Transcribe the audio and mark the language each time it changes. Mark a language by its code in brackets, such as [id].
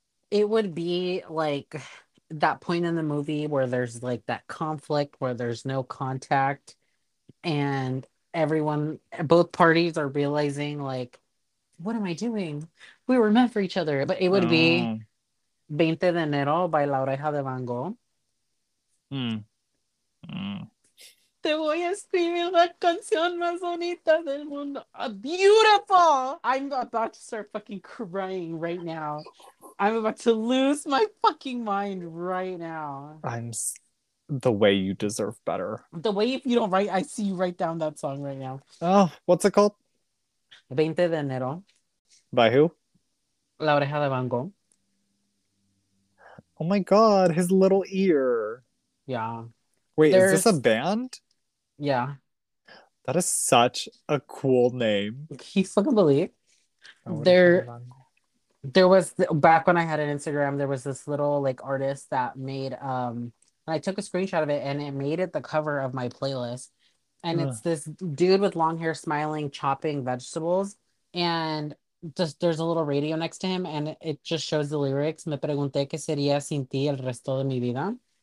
[en] It would be like that point in the movie where there's like that conflict where there's no contact and both parties are realizing like, what am I doing? We were meant for each other. But it would be 20 de Enero by La Oreja de Van Gogh. [es] Te voy a escribir la canción más bonita del mundo. [en] Beautiful! I'm about to start fucking crying right now. I'm about to lose my fucking mind right now. I'm the way you deserve better. The way, if you don't write, I see you write down that song right now. Oh, what's it called? [es] 20 de enero. [en] By who? [es] La Oreja de Van Gogh. [en] Oh my god, his little ear. Yeah. Wait, there's... is this a band? Yeah. That is such a cool name. Can you fucking believe? There was, back when I had an Instagram, there was this little like artist that made, and I took a screenshot of it and it made it the cover of my playlist. And it's this dude with long hair smiling, chopping vegetables. And just there's a little radio next to him and it just shows the lyrics. [es] Me pregunté qué sería sin ti el resto de mi vida.